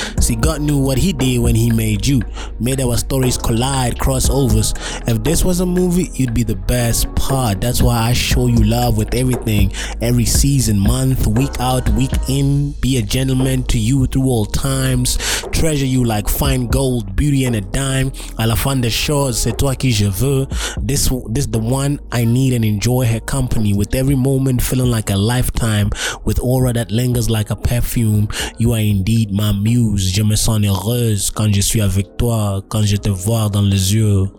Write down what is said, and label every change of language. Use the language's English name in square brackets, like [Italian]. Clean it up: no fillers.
[English] See, God knew what he did when he made you. Made our stories collide, crossovers. If this was a movie, you'd be the best part. That's why I show you love with everything. Every season, month, week out, week in. Be a gentleman to you through all times. Treasure you like fine gold, beauty and a dime. [French] A la fin de show, c'est toi qui je veux. [English] This the one I need and enjoy her company. With every moment feeling like a lifetime. With aura that lingers like a perfume. You are indeed my muse. [French] Je me sens heureuse quand je suis avec toi. Quand je te vois dans les yeux.